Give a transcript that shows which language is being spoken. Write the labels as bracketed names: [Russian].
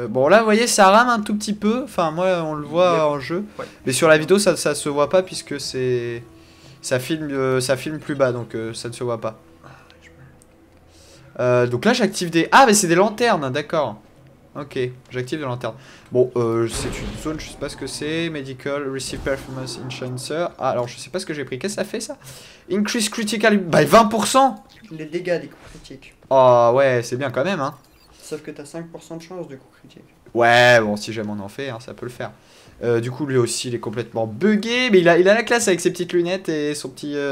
[French] Bon, là, vous voyez, ça rame un tout petit peu. Enfin, moi, on le voit en jeu. Ouais. Mais sur la vidéo, ça se voit pas puisque c'est... Ça filme plus bas, donc ça ne se voit pas. Donc là, j'active des... Ah, mais c'est des lanternes, d'accord. Ok, j'active des lanternes. Bon, c'est une zone, je sais pas ce que c'est. [English] Medical, Receive Performance, Enchancer. [French] Ah, alors, je sais pas ce que j'ai pris. Qu'est-ce que ça fait, ça? [English] Increase Critical by 20%. [French] Les dégâts des coups critiques. Oh, ouais, c'est bien quand même, hein. Sauf que t'as 5% de chance de coups critiques. Ouais, bon, si jamais on en fait, hein, ça peut le faire. Du coup, lui aussi, il est complètement buggé, mais il a la classe avec ses petites lunettes et son petit...